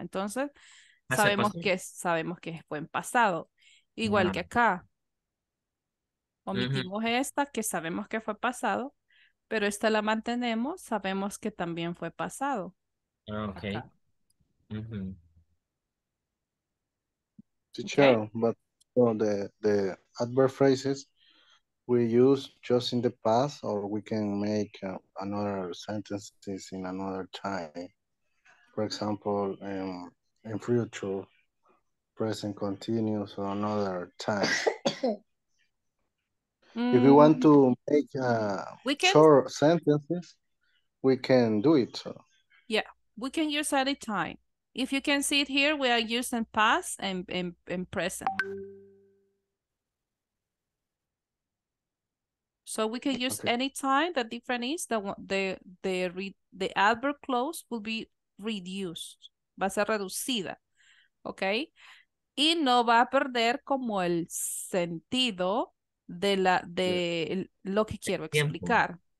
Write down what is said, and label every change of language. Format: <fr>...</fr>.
<es>Entonces, sabemos que fue en pasado, igual que acá. Omitimos esta, que sabemos que fue pasado, pero esta la mantenemos, sabemos que también fue pasado.</es> <en>Okay. Teacher, but the adverb phrases we use just in the past, or we can make another sentences in another time. For example, in future, present continuous, or another time. If you want to make short sentences, we can do it. Yeah, we can use any time. If you can see it here, we are using past and present. So we can use any time. The difference is that the adverb clause will be reduced.</en> <es>Va a ser reducida. Okay? Y no va a perder como el sentido de la de lo que quiero explicar.</es>